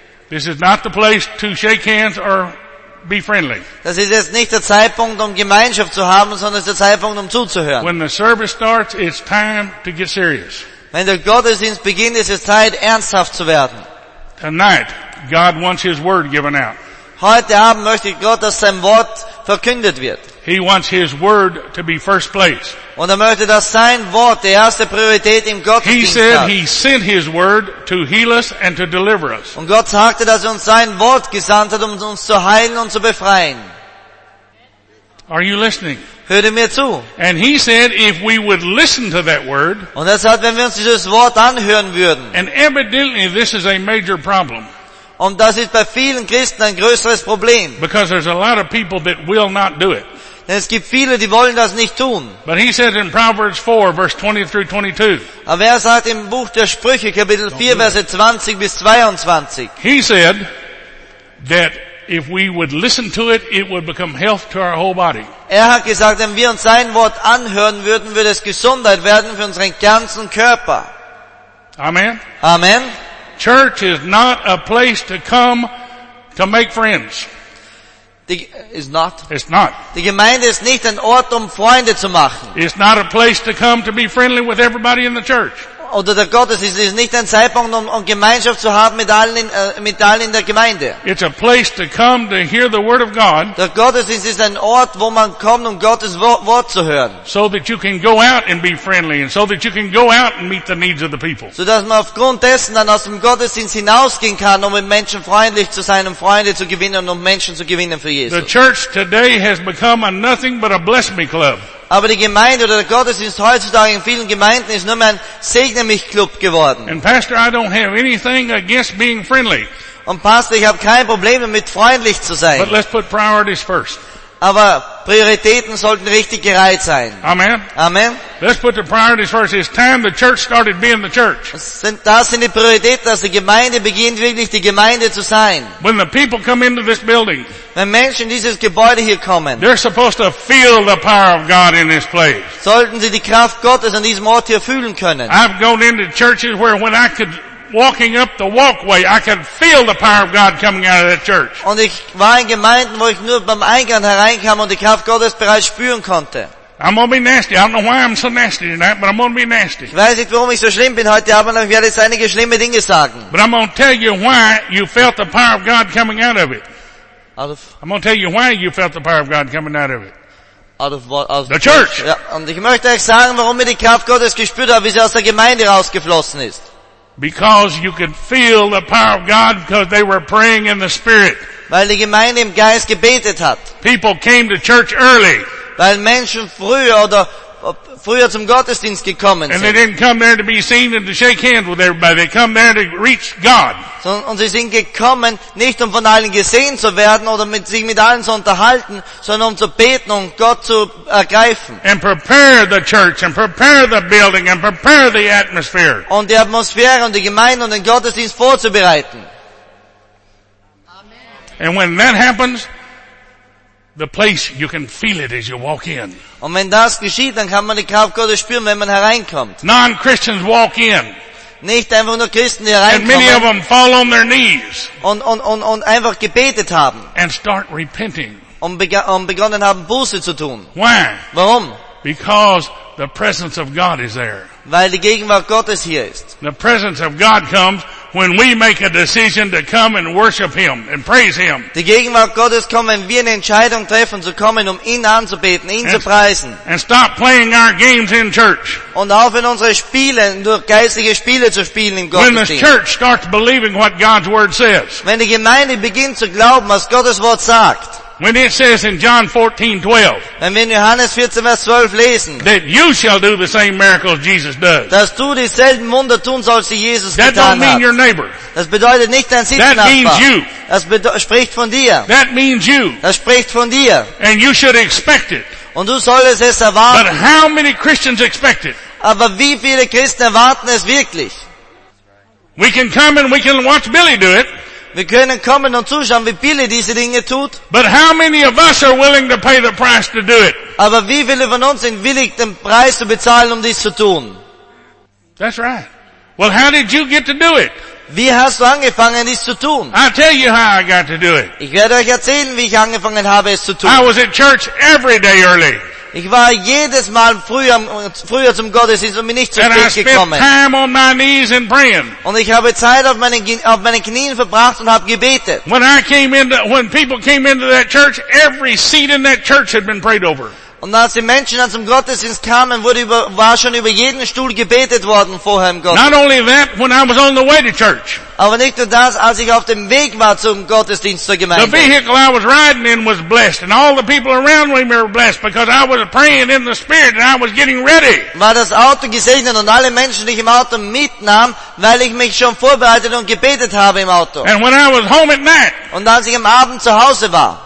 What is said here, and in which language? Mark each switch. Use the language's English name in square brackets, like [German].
[English] This is not the place to shake hands or be friendly. [German] Das ist jetzt nicht der Zeitpunkt, Gemeinschaft zu haben, sondern es ist der Zeitpunkt, zuzuhören. [English] When the service starts, it's time to get serious. [German] Wenn der Gottesdienst beginnt, ist es Zeit, ernsthaft zu werden. [English] Tonight, God wants His Word given out. [German] Heute Abend möchte Gott, dass sein Wort verkündet wird. [English] He wants His Word to be first place. [German] Und möchte, dass sein Wort die erste Priorität im Gottesdienst hat. [English] He said He sent His Word to heal us and to deliver us. [German] Und Gott sagte, dass uns sein Wort gesandt hat, uns zu heilen und zu befreien. [English] Are you listening? [German] Hört ihr mir zu? [English] And He said, if we would listen to that word. [German] Und er sagt, wenn wir uns dieses Wort anhören würden. [English] And evidently, this is a major problem. [German] Und das ist bei vielen Christen ein größeres Problem. [English] Because there's a lot of people that will not do it. [German] Denn es gibt viele, die wollen das nicht tun. [English] But he says in Proverbs 4, verse 20-22. [German] Aber er sagt im Buch der Sprüche, Kapitel 4, Verse 20 bis 22. [English] He said that if we would listen to it, it would become health to our whole body. [German] Er hat gesagt, wenn wir uns sein Wort anhören würden, würde es Gesundheit werden für unseren ganzen Körper. [English] Amen. [German] Amen. [English] Church is not a place to come to make friends. It's not. [German] Die Gemeinde ist nicht ein Ort, Freunde zu machen. [English] It's not a place to come to be friendly with everybody in the church. [German] Oder der Gottesdienst ist nicht ein Zeitpunkt, Gemeinschaft zu haben mit allen in der Gemeinde. [English] It's a place to come to hear the word of God. [German] Der Gottesdienst ist ein Ort, wo man kommt, Gottes Wort zu hören. [English] So that you can go out and be friendly, and so that you can go out and meet the needs of the people. [German] So dass man aufgrund dessen dann aus dem Gottesdienst hinausgehen kann, mit Menschen freundlich zu sein, Freunde zu gewinnen und Menschen zu gewinnen für Jesus. [English] The church today has become a nothing but a bless me club. [German] Aber die Gemeinde oder der Gottesdienst heutzutage in vielen Gemeinden ist nur mehr ein Segne-mich-Club geworden. [English] And Pastor, I don't have anything against being friendly. [German] Und Pastor, ich habe kein Problem damit, freundlich zu sein. [English] But let's put priorities first. [German] Aber Prioritäten sollten richtig gereiht sein. [English] Amen. [German] Amen. [English] Let's put the priorities first. It's time the church started being the church. [German] Das sind die Prioritäten, dass die Gemeinde beginnt, wirklich die Gemeinde zu sein. [English] When the people come into this building, [German] wenn Menschen in dieses Gebäude hier kommen, [English] they're supposed to feel the power of God in this place. [German] Sollten sie die Kraft Gottes an diesem Ort hier fühlen können. [English] I've gone into churches where when I could walking up the walkway, I could feel the power of God coming out of that church. [German] Und ich war in Gemeinden, wo ich nur beim Eingang hereinkam und die Kraft Gottes bereits spüren konnte. [English] I'm gonna be nasty. I don't know why I'm so nasty tonight, but I'm gonna be nasty. [German] Ich weiß nicht, warum ich so schlimm bin heute Abend, aber ich werde jetzt einige schlimme Dinge sagen. [English] But I'm gonna tell you why you felt the power of God coming out of it. I'm gonna tell you why you felt the power of God coming out of it. The church. [German] Ja, und ich möchte euch sagen, warum ich die Kraft Gottes gespürt habe, wie sie aus der Gemeinde rausgeflossen ist. [English] Because you could feel the power of God because they were praying in the Spirit. [German] Weil die Gemeinde im Geist gebetet hat. [English] People came to church early. [German] Weil Menschen früher zum Gottesdienst gekommen sind. [English] And they didn't come there to be seen and to shake hands with everybody. They come there to reach God. [German] Und sie sind gekommen, nicht um von allen gesehen zu werden oder sich mit allen zu unterhalten, sondern um zu beten und Gott zu ergreifen. [English] And prepare the church and prepare the building and prepare the atmosphere. [German] Und die Atmosphäre und die Gemeinde und den Gottesdienst vorzubereiten. [English] And when that happens, the place, you can feel it as you walk in. [German] Und wenn das geschieht, dann kann man die Kraft Gottes spüren, wenn man hereinkommt. [English] Non-Christians walk in. [German] Nicht einfach nur Christen, die hereinkommen. [English] And many of them fall on their knees. [German] Und einfach gebetet haben. [English] And start repenting. [German] Und begonnen haben, Buße zu tun. [English] Why? [German] Warum? [English] Because the presence of God is there. [German] Weil die Gegenwart Gottes hier ist. [English] The presence of God comes when we make a decision to come and worship Him and praise Him. [German] Die Gegenwart Gottes kommt, wenn wir eine Entscheidung treffen, zu kommen, um ihn anzubeten, ihn zu preisen. [English] And stop playing our games in church. [German] Und aufhören, unsere Spiele, nur geistliche Spiele zu spielen im Gottesdienst. [English] When the church starts believing what God's Word says. [German] Wenn die Gemeinde beginnt zu glauben, was Gottes Wort sagt. [English] When it says in John 14:12, [German] wenn wir in Johannes 14, Vers 12 lesen, [English] that you shall do the same miracles Jesus does, [German] dass du dieselben Wunder tun sollst, die Jesus getan hat. [English] That don't mean your neighbor. [German] Das bedeutet nicht dein Sitznachbar. [English] That means you. [German] Das spricht von dir. [English] That means you. [German] Das spricht von dir. [English] And you should expect it. [German] Und du solltest es erwarten. [English] But how many Christians expect it? [German] Aber wie viele Christen erwarten es wirklich? [English] We can come and we can watch Billy do it. [German] Wir können kommen und zuschauen, wie Billy diese Dinge tut. [English] But how many of us are willing to pay the price to do it? [German] Aber wie viele von uns sind willig, den Preis zu bezahlen, um dies zu tun? [English] That's right. Well, how did you get to do it? [German] Wie hast du angefangen, dies zu tun? [English] I'll tell you how I got to do it. [German] Ich werde euch erzählen, wie ich angefangen habe, es zu tun. [English] I was at church every day early. [German] Ich war jedes Mal früher zum Gottesdienst und bin nicht zu spät gekommen. [English] Time on my knees and praying. [German] Und ich habe Zeit auf meinen Knien verbracht und habe gebetet. [English] When people came into that church, every seat in that church had been prayed over. [German] Und als die Menschen dann zum Gottesdienst kamen, war schon über jeden Stuhl gebetet worden vorher im Gottesdienst. [English] Not only that, when I was on the way to church. [German] Aber nicht nur das, als ich auf dem Weg war zum Gottesdienst zur Gemeinde. [English] The vehicle I was riding in was blessed, and all the people around me were blessed because I was praying in the Spirit and I was getting ready. [German] War das Auto gesegnet und alle Menschen, die ich im Auto mitnahm, weil ich mich schon vorbereitet und gebetet habe im Auto. [English] And when I was home at night. [German] Und als ich am Abend zu Hause war.